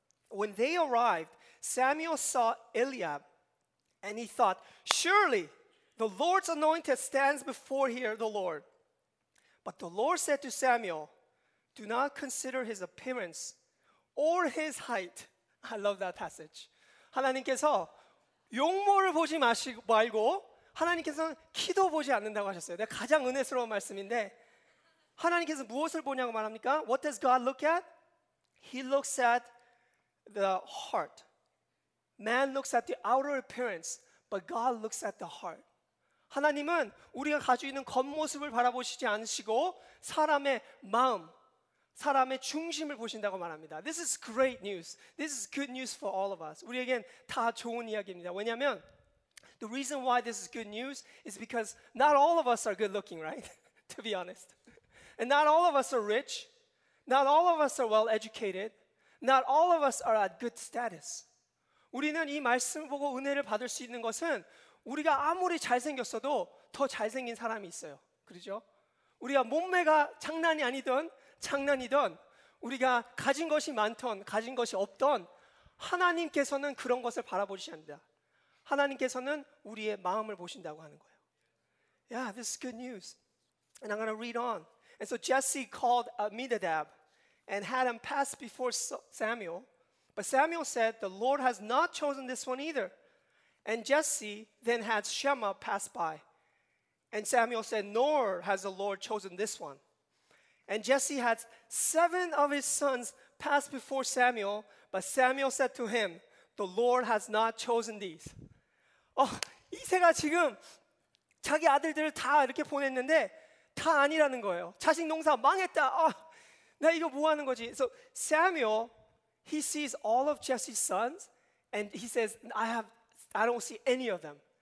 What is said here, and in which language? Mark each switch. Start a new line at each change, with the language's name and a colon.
English: When they arrived, Samuel saw Eliab, and he thought, surely the Lord's anointed stands before here, the Lord. But the Lord said to Samuel, do not consider his appearance or his height. I love that passage.
Korean: 하나님께서 용모를 보지 마시고 말고 하나님께서는 키도 보지 않는다고 하셨어요. 내가 가장 은혜스러운 말씀인데 하나님께서 무엇을 보냐고 말합니까?
English: What does God look at? He looks at the heart. Man looks at the outer appearance, but God looks at the heart.
Korean: 하나님은 우리가 가지고 있는 겉모습을 바라보시지 않으시고 사람의 마음, 사람의 중심을 보신다고 말합니다.
English: This is great news. This is good news for all of us.
Korean: 우리에겐 다 좋은 이야기입니다. 왜냐하면
English: the reason why this is good news is because not all of us are good looking, right? To be honest. And not all of us are rich. Not all of us are well educated. Not all of us are at good status.
Korean: 우리는 이 말씀을 보고 은혜를 받을 수 있는 것은 우리가 아무리 잘생겼어도 더 잘생긴 사람이 있어요. 그렇죠? 우리가 몸매가 장난이 아니든 장난이든 우리가 가진 것이 많든 가진 것이 없든 하나님께서는 그런 것을 바라보시지 않는다. 하나님께서는 우리의 마음을 보신다고 하는 거예요.
English: Yeah, this is good news. And I'm going to read on. And so Jesse called Abinadab and had him pass before Samuel. But Samuel said, the Lord has not chosen this one either. And Jesse then had Shammah pass by. And Samuel said, nor has the Lord chosen this one. And Jesse had seven of his sons pass before Samuel. But Samuel said to him, the Lord has not chosen these.
Korean: 이새가 지금 자기 아들들을 다 이렇게 보냈는데 다 아니라는 거예요. 자식 농사 망했다. 나 이거 뭐 하는 거지?
English: So Samuel, he sees all of Jesse's sons and he says, I don't see any of them.